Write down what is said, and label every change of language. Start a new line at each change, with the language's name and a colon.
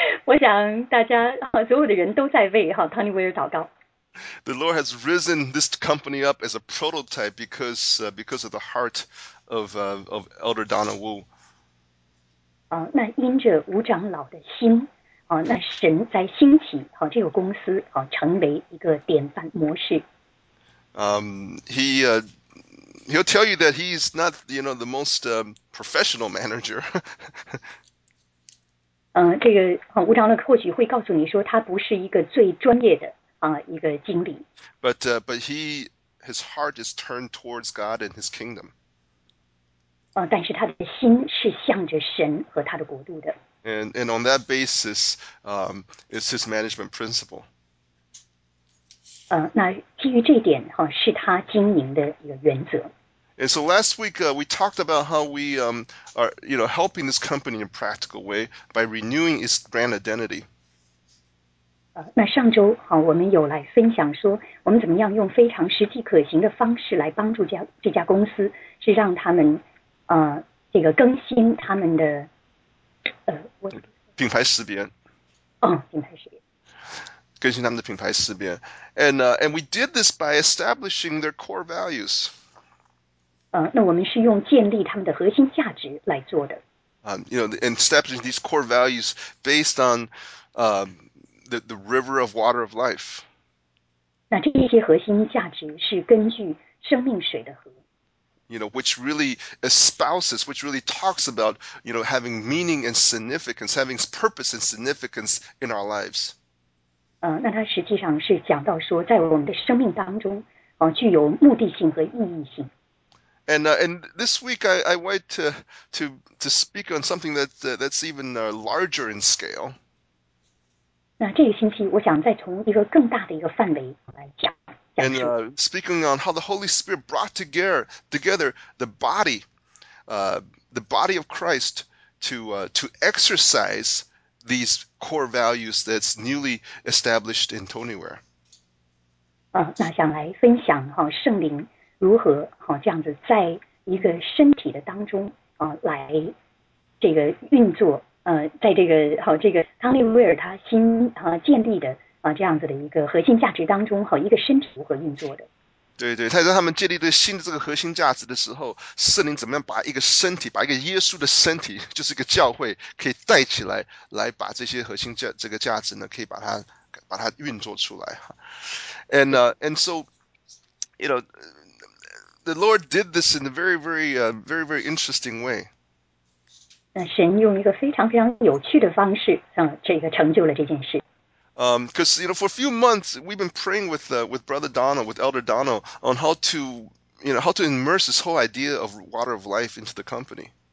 Chinese: 我想大家所有的人都在为汤尼威尔祷告。
English: The Lord has risen this company up as a prototype because of the heart of Elder Donna Wu.
Chinese: 那因着吴长老的心那神在兴起这个公司成为一个典范模式。
English: He'll tell you that he's not, the most professional manager.
Chinese: 这个吴长老或许会告诉你说他不是一个最专业的一个经理。
English: But his heart is turned towards God and his kingdom.
Chinese: 但是他的心是向着神和他的国度的。
English: And on that basis, it's his management principle.
Chinese: 那基于这一点，是他经营的一个原则。
English: And so last week, we talked about how we are, you know, helping this company in a practical way by renewing its brand identity.
Chinese: 那上周我们有来分享说，我们怎么样用非常实际可行的方式来帮助这家公司，是让他们这个更新他们的品牌识别。品牌识别。更新他们的品牌识别。
English: And we did this by establishing their core values.
Chinese: 那我们是用建立他们的核心价值来做的。
English: And establishing these core values based on the river of water of life.
Chinese: 那这些核心价值是根据生命水的河。
English: You know, which really espouses, which really talks about, you know, having meaning and significance, having purpose and significance in our lives.
Chinese: 那它实际上是讲到说，在我们的生命当中，具有目的性和意义性。
English: And this week I want to speak on something that's even larger in scale.
Chinese: 那这个星期我想再从一个更大的一个范围来讲。
English: And speaking on how the Holy Spirit brought together the body of Christ to exercise these core values that's newly established in Tonyware.
Chinese: 那想来分享圣灵如何这样子在一个身体的当中来这个运作在这个这个 Tonyware 他新建立的。这样子的一个核心价值当中和一个身体如何运作的。对对，在他们建立对新的这个核心价值的时候，圣灵怎么样把一个身体，把一个耶稣的身体，就是一个教会可以带起来，来把这些核心价这个价值呢，可以把它运作出来。
English: And so, you know, the Lord did this in a very, very, very, very interesting way.
Chinese: 神用一个非常非常有趣的方式，这个成就了这件事。
English: Because you know, for a few months, we've been praying with Brother Donald, with Elder Donald, on how to immerse this whole idea of water of life into the company.